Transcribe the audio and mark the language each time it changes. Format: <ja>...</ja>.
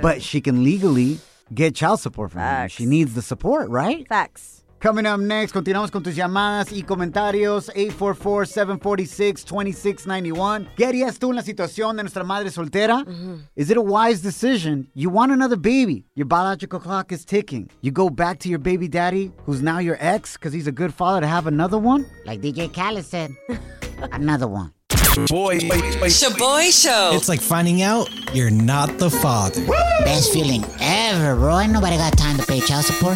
<en>But she can legally get child support from him. She needs the support, right? Facts. Coming up next,</en> <es>continuamos con tus llamadas y comentarios, 844-746-2691. ¿Qué harías tú en la situación de nuestra madre soltera?</es> <en>Is it a wise decision? You want another baby. Your biological clock is ticking. You go back to your baby daddy, who's now your ex, because he's a good father to have another one? Like DJ Khaled said, another one. Shaboy Show. It's like finding out you're not the father. Woo! Best feeling ever, bro. Ain't nobody got time to pay child support.</en>